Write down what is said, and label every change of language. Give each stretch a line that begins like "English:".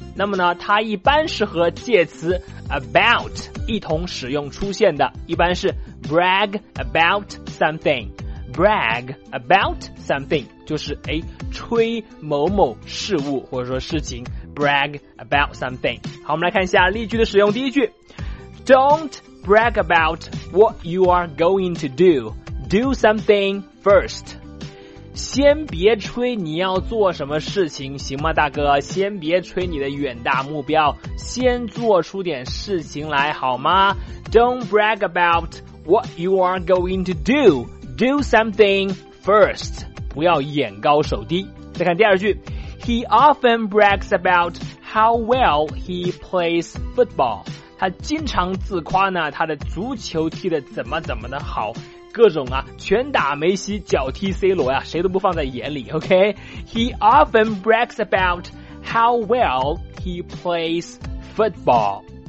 Chinese: 那么呢，它一般是和介词about 一同使用出现的，一般是
English: brag about something，
Chinese: brag about something 就是诶吹某某事物或者说事情， brag about something。好，我们来看一下例句的使用。第一句，
English: Don't brag about what you are going to do, do something first。
Chinese: 先别吹你要做什么事情，行吗大哥？先别吹你的远大目标，先做出点事情来好吗？
English: Don't brag about what you are going to do, do something first。
Chinese: 不要眼高手低。再看第二句，
English: He often brags about how well he plays football。
Chinese: 他经常自夸呢，他的足球踢得怎么怎么的好，各种啊，拳打梅西，脚踢 C 罗呀，谁都不放在眼里， OK。
English: He often brags about how well he plays football。